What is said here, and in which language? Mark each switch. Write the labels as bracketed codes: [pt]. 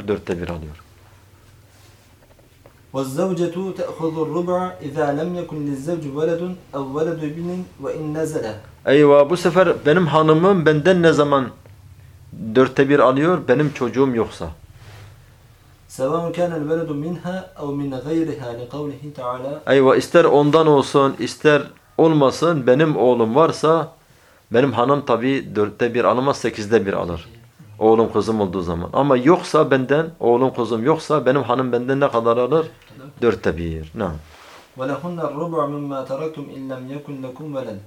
[tr] 1/4 alıyor. [ar] وَالزَّوْجَةُ تَأْخُذُ الرُّبْعَ اِذَا لَمْ يَكُنْ لِلزَّوْجِ وَلَدٌ اَوْ وَلَدُ اِبْنٍ وَاِنْ نَزَلَ. [tr] Eyvah, bu sefer benim hanımım benden ne zaman 1/4 alıyor? Benim çocuğum yoksa. [ar] سواء كان الولد منها أو من غيرها لقوله تعالى أيوة [tr] ister ondan olsun ister olmasın benim oğlum varsa benim hanım tabi dörtte bir alamaz sekizde bir alır. Oğlum kızım olduğu zaman. Ama yoksa benden, oğlum kızım yoksa benim hanım benden ne kadar alır? Dörtte bir. Naam. [ar] وَلَهُنَّ الرُّبُعْ مِمَّا تَرَكْتُمْ اِنْ لَمْ يَكُنْ لَكُمْ وَلَدْ